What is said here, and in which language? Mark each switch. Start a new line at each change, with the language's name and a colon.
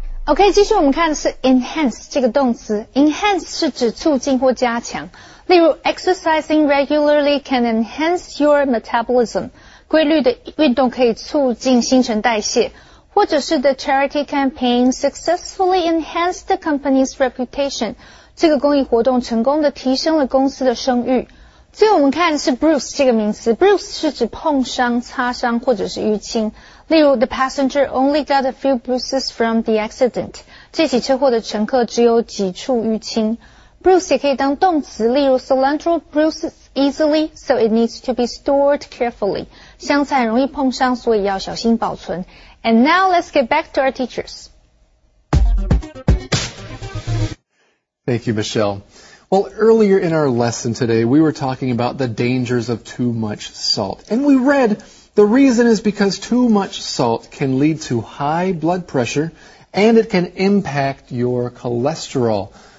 Chinese: OK, 继续我们看的是 enhance 这个动词。enhance 是指促进或加强。
English: 例如 exercising regularly can enhance your metabolism.
Chinese: 规律的运动可以促进新陈代谢。或者是
English: the charity campaign successfully enhanced the company's reputation.
Chinese: 这个公益活动成功地提升了公司的声誉。所以我们看是 bruise 这个名词 ，bruise 是指碰伤、擦伤或者是淤青。
English: 例如 ，the passenger only got a few bruises from the accident。
Chinese: 这起车祸的乘客只有几处淤青。
English: Bruise
Chinese: 也可以当动词，例如
English: cilantro bruises easily, so it needs to be stored carefully.
Chinese: 香菜很容易碰伤，所以要小心保存。
English: And now let's get back to our teachers. Thank you, Michelle. Well, earlier in our lesson today, we were talking about the dangers of too much salt. And we read, the reason is because too much salt can lead to high blood pressure, and it can impact your cholesterol.